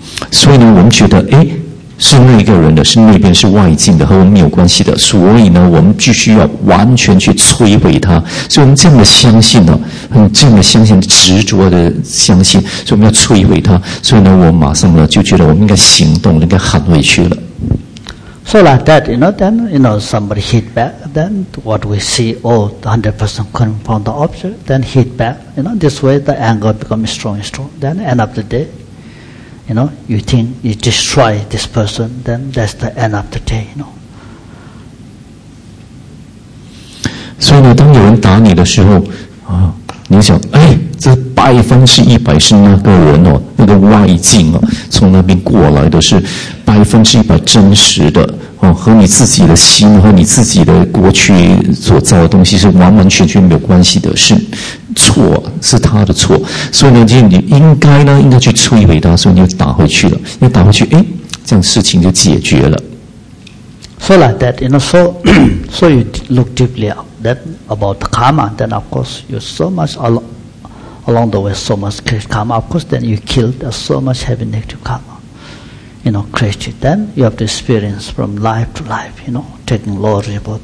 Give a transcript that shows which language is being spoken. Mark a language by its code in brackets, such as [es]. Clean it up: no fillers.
[zh] 所以呢，我们觉得哎。是那个人的，是那边是外境的，和我们没有关系的，所以呢我们必须要完全去摧毁它，所以我们这样的相信呢，很这样的相信，执着的相信，所以我们要摧毁它，所以呢我马上呢就觉得我们应该行动，应该捍卫去了。 [en] So like that, you know, then, you know, somebody hit back, then what we see, oh, 100% coming from the object, then hit back, you know, this way the anger becomes strong and strong, then end of the dayYou know, you think you destroy this person, then that's the end of the day, you know. [zh] 所以呢，当有人打你的时候，啊，你想，哎，这100%是那个人哦，那个外境哦，从那边过来的是100%真实的哦，和你自己的心和你自己的过去所造的东西是完完全全没有关系的，是。错是他的错，所以呢，你应该呢，应该去摧毁他，所以你就打回去了。你打回去，哎，这样事情就解决了。 [en] So like that, you know. So, so you look deeply at that about the karma. Then of course, you so much along the way, so much create karma. Of course, then you killed so much heavy negative karma. You know, create it. Then you have to experience from life to life. You know, taking lower reward.